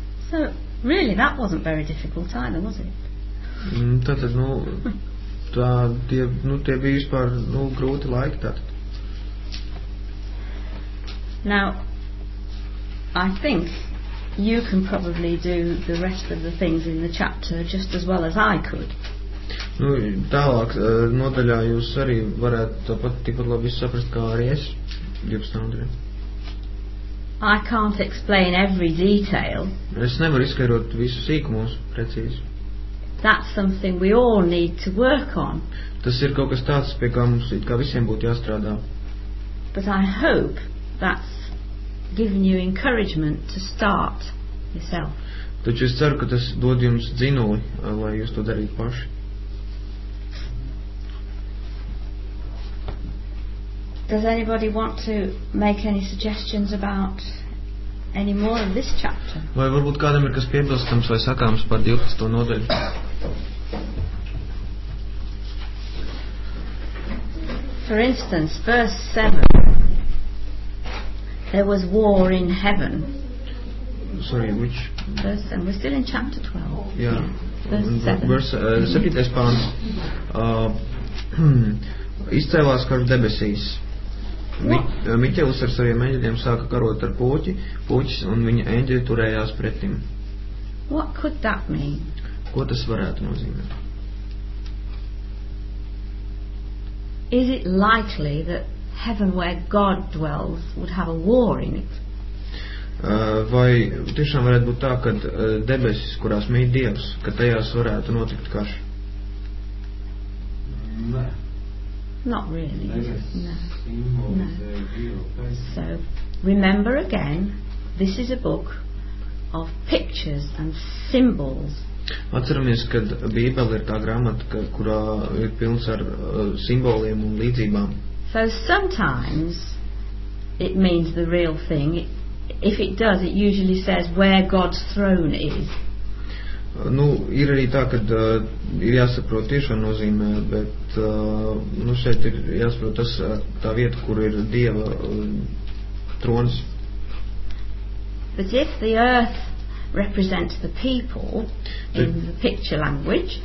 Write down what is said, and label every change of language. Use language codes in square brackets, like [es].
[en] So really that wasn't very difficult either, was it? [lv] Tātad, nu, tā tie, nu, tie bija vispār, nu, grūti laiki tātad. [en] Now I think you can probably do the rest of the things in the chapter just as well as I could. [lv] Nu, tālāk nodaļā jūs arī varētu tāpat tikpat labi saprast kā arī es 12. Nodaļā. [en] I can't explain every detail. [lv] Es nevaru izskaidrot visu sīkumus precīzi. [en] That's something we all need to work on. [lv] Tas ir kaut kas tāds, pie kā mums it kā visiem būtu jāstrādā. [en] But I hope that's given you encouragement to start yourself. [lv] Taču es ceru, ka tas dod jums dzinuli, lai jūs to darītu paši. [en] Does anybody want to make any suggestions about any more of this chapter? [lv] Vai varbūt kādam ir kas piebilstams vai sakāms par 12. Nodaļu? [en] For instance, verse 7. There was war in heaven. Sorry, which? Verse 7. We're still in chapter 12. Yeah. Verse 7. Pāns. [lv] Izcēlās karš debesīs. Miķēlis ar saviem eņģeļiem sāka karot ar pūķis, un viņa eņģeļi turējās pretim. [en] What could that mean? [lv] Ko tas varētu nozīmēt? [en] Is it likely that heaven where God dwells would have a war in it? [lv] Vai tiešām varētu būt tā, ka debesis, kurās mīt Dievs, ka tajās varētu notikt karš? [en] Not really, is it? No. No. So, remember again, this is a book of pictures and symbols. [lv] Atceramies, ka Bībele ir tā grāmata, kurā ir pilns ar simboliem un līdzībām. [en] So sometimes it means the real thing. If it does, it usually says where God's throne is. [lv] Nu, ir arī tā, ka ir jāsaprot tiešo nozīmē, bet nu, šeit ir jāsaprot tas, tā vieta, kur ir Dieva trons. [en] But if the earth represents the people in the picture language.